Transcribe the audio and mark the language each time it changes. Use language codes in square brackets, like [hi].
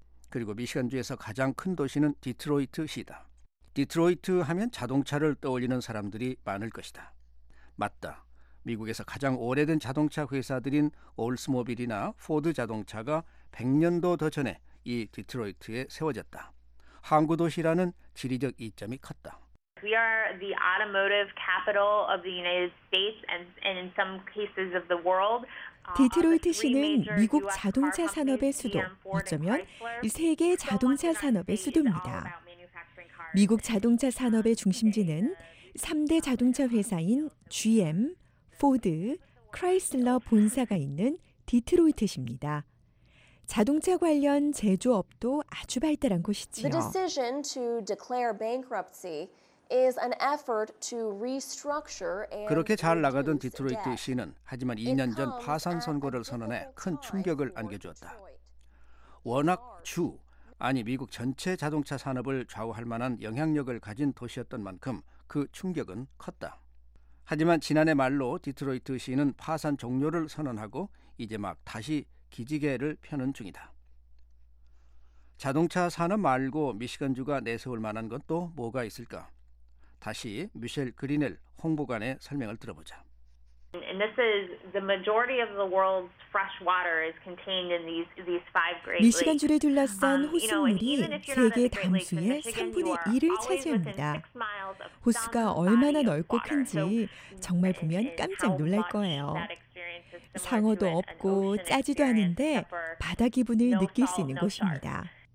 [ko] 그리고 미시간주에서 가장 큰 도시는 디트로이트시다. 디트로이트 하면 자동차를 떠올리는 사람들이 많을 것이다. 맞다. 미국에서 가장 오래된 자동차 회사들인 올스모빌이나 포드 자동차가 100년도 더 전에 이 디트로이트에 세워졌다. 항구 도시라는 지리적 이점이 컸다. [en] We are the automotive capital of the United States and in some cases of the world. [ko] 디트로이트 시는 미국 자동차 산업의 수도, 어쩌면 세계 자동차 산업의 수도입니다. 미국 자동차 산업의 중심지는 3대 자동차 회사인 GM, 포드, 크라이슬러 본사가 있는 디트로이트시입니다. 자동차 관련 제조업도 아주 발달한 곳이지요. [en] The decision to declare bankruptcy is an effort to restructure and [ko] 그렇게 잘 나가던 디트로이트 시는 하지만 2년 전 파산 선고를 선언해 큰 충격을 안겨주었다. 워낙 주 아니 미국 전체 자동차 산업을 좌우할 만한 영향력을 가진 도시였던 만큼 그 충격은 컸다. 하지만 지난해 말로 디트로이트 시는 파산 종료를 선언하고 이제 막 다시 기지개를 펴는 중이다. 자동차 산업 말고 미시간주가 내세울 만한 건 또 뭐가 있을까? 다시 미셸 그리넬 홍보관의 설명을 들어보자. [en] And this is the majority of the world's fresh water is contained in these five great lakes. [ko] 미시간주를 둘러싼 호수물이 세계 담수의 3분의 1을 차지합니다. 호수가 얼마나 넓고 큰지 정말 보면 깜짝 놀랄 거예요. 상어도 없고 짜지도 않은데 바다 기분을 느낄 수 있는 곳입니다.